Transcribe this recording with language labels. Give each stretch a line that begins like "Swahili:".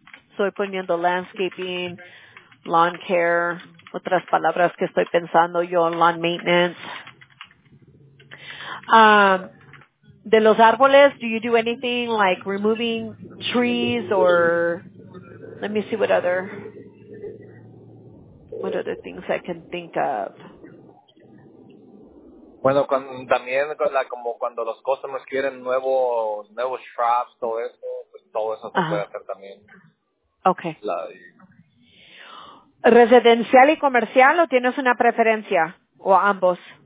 Spanish: estoy poniendo landscaping, lawn care, otras palabras que estoy pensando yo, lawn maintenance. De los árboles,
English: do you do anything like removing trees or, let me see what other things I can think of.
Spanish: Bueno, también como cuando los customers quieren nuevos shrubs, todo eso se puede hacer también.
English: Okay.
Spanish: ¿Residencial y comercial o tienes una preferencia? ¿O ambos?